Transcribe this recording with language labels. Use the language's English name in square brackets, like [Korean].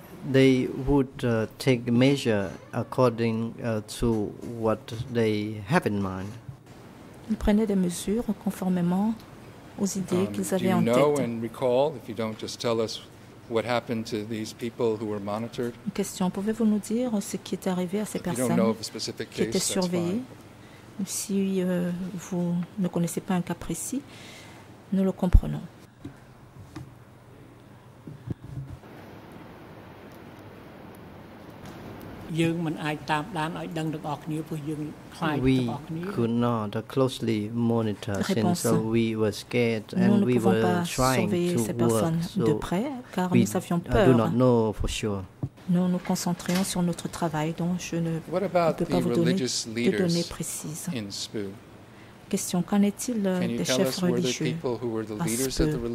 [English] They would take measure according to what they have in mind. [French] Ils prenaient des mesures conformément aux idées qu'ils avaient en tête. [English] Do you know and recall, if you don't just tell us, what happened to these people who were monitored? [French] Une question, pouvez-vous nous dire ce qui est arrivé à ces personnes qui étaient surveillées? Si vous ne connaissez pas un cas précis, nous le comprenons. [English] We could not closely monitor since we were scared and we were trying to work. [French] De près, car [English] we [French] nous avions peur. [English] Do not know for sure. [French] Nous nous concentrions sur notre travail, donc je ne peux pas vous donner de données précises. [English] In SPU? [French] Question, qu'en est-il des chefs religieux à SPU?